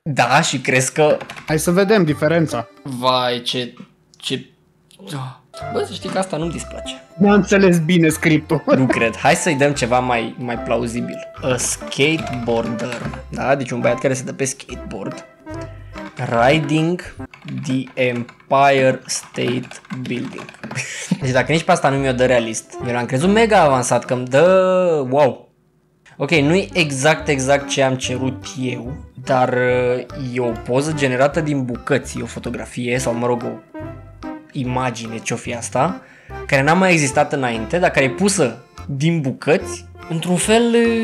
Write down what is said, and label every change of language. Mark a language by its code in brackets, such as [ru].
[ro] Da, și crezi că... Hai să vedem diferența. Vai, ce... ce... Bă, să știi că asta nu-mi displace. Mi-am înțeles bine scriptul. Nu cred. Hai să-i dăm ceva mai, mai plauzibil. [en] A skateboarder. [ro] Da? Deci un băiat care se dă pe skateboard. [en] Riding the Empire State Building. [ro] Deci dacă nici pe asta nu mi-o dă realist. Eu l-am crezut mega avansat, că-mi dă... Wow! Ok, nu-i exact exact ce am cerut eu, dar e o poză generată din bucăți, o fotografie sau, mă rog, o imagine, ce-o fi asta, care n-a mai existat înainte, dar care e pusă din bucăți, într-un fel...